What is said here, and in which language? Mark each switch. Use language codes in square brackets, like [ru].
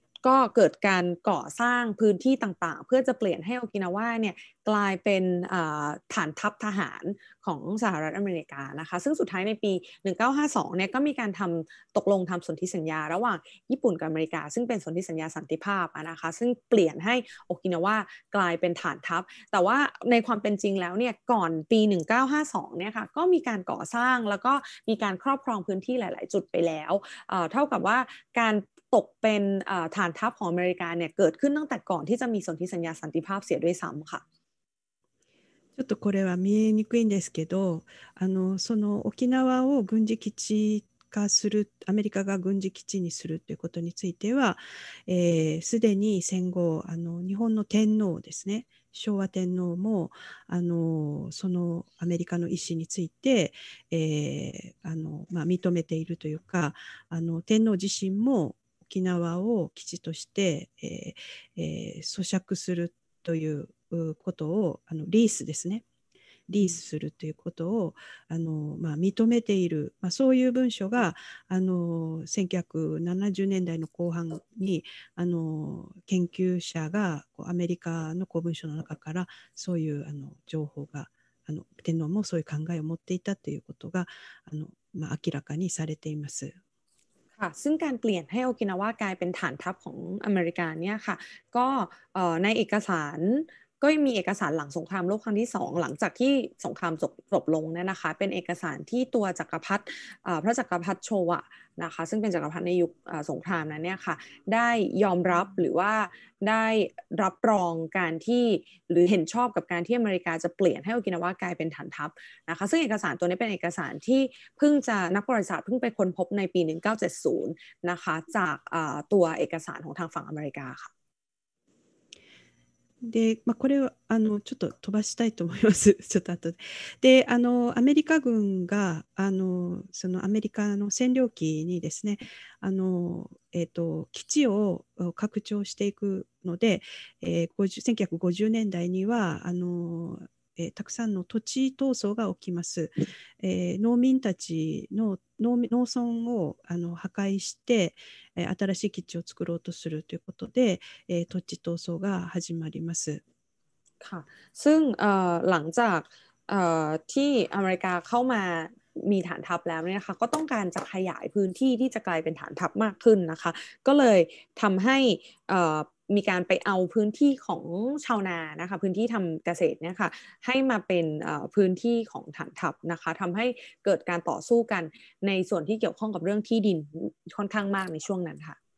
[th] ก็เกิดการก่อสร้างพื้นที่ต่างๆเพื่อจะเปลี่ยนให้โอกินาว่าเนี่ยกลายเป็นฐานทัพทหารของสหรัฐอเมริกานะคะซึ่งสุดท้ายในปี1952เนี่ยก็มีการทำตกลงทำสนธิสัญญาระหว่างญี่ปุ่นกับอเมริกาซึ่งเป็นสนธิสัญญาสันติภาพนะคะซึ่งเปลี่ยนให้โอกินาว่ากลายเป็นฐานทัพแต่ว่าในความเป็นจริงแล้วเนี่ยก่อนปี1952เนี่ยค่ะก็มีการก่อสร้างแล้วก็มีการครอบครองพื้นที่หลายๆจุดไปแล้วเท่ากับว่าการป กเป็นฐานทัพของอเมริกาเนี่ยเกิดขึ้นตั้งแต่ก่อนที่จะมีสนธิสัญญาสันติภาพเสียด้วยซ้ำค่ะ [ja] ちょっとこれは見えにくいんですけど、その沖縄を軍事基地化する、アメリカが軍事基地にするということについては、すでに戦後、日本の天皇ですね、昭和天皇も、そのアメリカの意思について、認めているというか、天皇自身も沖縄を基地として、租借するという、ことをリースですねリースするということを認めている、そういう文書が1970年代の後半に研究者がアメリカの公文書の中からそういう情報が天皇もそういう考えを持っていたということが明らかにされています [th] ค่ะซึ่งการเปลี่ยนให้โอกินาวากลายเป็นฐานทัพของอเมริกาเนี่ยค่ะก็ในเอกสารก็มีเอกสารหลังสงครามโลกครั้งที่สองหลังจากที่สงครามจบลงเนี่ยนะคะเป็นเอกสารที่ตัวจักรพรรดิ พระจักรพรรดิโชวะนะคะซึ่งเป็นจักรพรรดิในยุคสงครามนั้นเนี่ยค่ะได้ยอมรับหรือว่าได้รับรองการที่หรือเห็นชอบกับการที่อเมริกาจะเปลี่ยนให้โอกินาวากลายเป็นฐานทัพนะคะซึ่งเอกสารตัวนี้เป็นเอกสารที่เพิ่งจะนักประวัติศาสตร์เพิ่งไปค้นพบในปี1970นะคะจากตัวเอกสารของทางฝั่งอเมริกาค่ะ [ja] でまあ、これはちょっと飛ばしたいと思いますちょっと後 でアメリカ軍がそのアメリカの占領期にですね基地を拡張していくので、1950年代にはたくさんの土地闘争が起きます、農民たちの 農村を破壊して、新しい基地を作ろうとするということで、土地闘争が始まります [th] ค่ะซึ่งหลังจากที่อเมริกาเข้ามามีฐานทัพแล้วเนี่ยนะคะก็ต้องการจะขยายพื้นที่ที่จะกลายเป็นฐานทัพมากขึ้นนะคะก็เลยทำให้มีการไปเอาพื้นที่ของชาวนานะคะพื้นที่ทำเกษตรเนี่ยค่ะให้มาเป็นพื้นที่ของฐานทัพนะคะทำให้เกิดการต่อสู้กันในส่วนที่เกี่ยวข้องกับเรื่องที่ดินค่อนข้างมากในช่วงนั้นค่ะ